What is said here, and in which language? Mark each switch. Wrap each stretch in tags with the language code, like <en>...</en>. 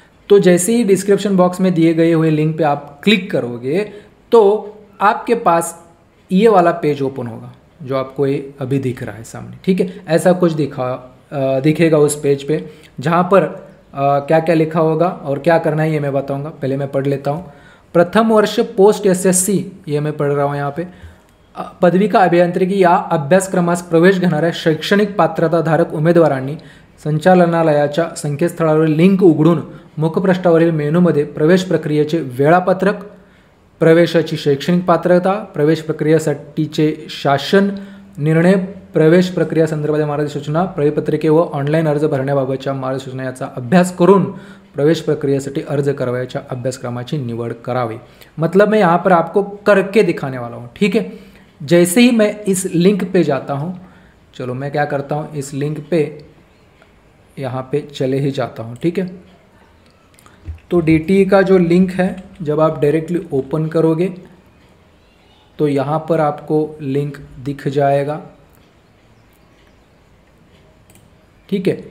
<hi>तो जैसे ही description box में दिए गए हुए लिंक पे आप क्लिक करोगे, तो आपके पास ये वाला पेज ओपन होगा जो आपको ये अभी दिख रहा है सामने, ठीक है। ऐसा कुछ दिखेगा उस पेज पर, जहाँ पर क्या क्या लिखा होगा और क्या करना है ये मैं बताऊँगा। पहले मैं पढ़ लेता हूँ, प्रथम वर्ष पोस्ट एसएससी, ये मैं पढ़ रहा हूँ यहाँ पे,</hi> <mr>पदवी का अभियांत्रिकी या अभ्यासक्रमास प्रवेश घेणाऱ्या शैक्षणिक पात्रताधारक उमेदवारांनी संचालनालयाच्या संकेतस्थळावरील लिंक उघडून मुखपृष्ठावरील मेनूमध्ये प्रवेश प्रक्रियेचे वेळापत्रक, प्रवेशाची शैक्षणिक पात्रता, प्रवेश प्रक्रियेसाठीचे शासन निर्णय, प्रवेश प्रक्रिया संदर्भात मार्गसूचना, प्रवेशपत्रके व ऑनलाईन अर्ज भरण्याबाबतच्या मार्गसूचना याचा अभ्यास करून प्रवेश प्रक्रियेसाठी अर्ज करावयाच्या अभ्यासक्रमाची निवड करावी।</mr> <hi>मतलब मैं यहाँ पर आपको करके दिखाने वाला हूँ, ठीक है। जैसे ही मैं इस लिंक पे जाता हूँ, चलो मैं क्या करता हूँ, इस लिंक पे यहाँ पे चले ही जाता हूँ, ठीक है। तो डीटी का जो लिंक है, जब आप डायरेक्टली ओपन करोगे तो यहाँ पर आपको लिंक दिख जाएगा, ठीक है।</hi>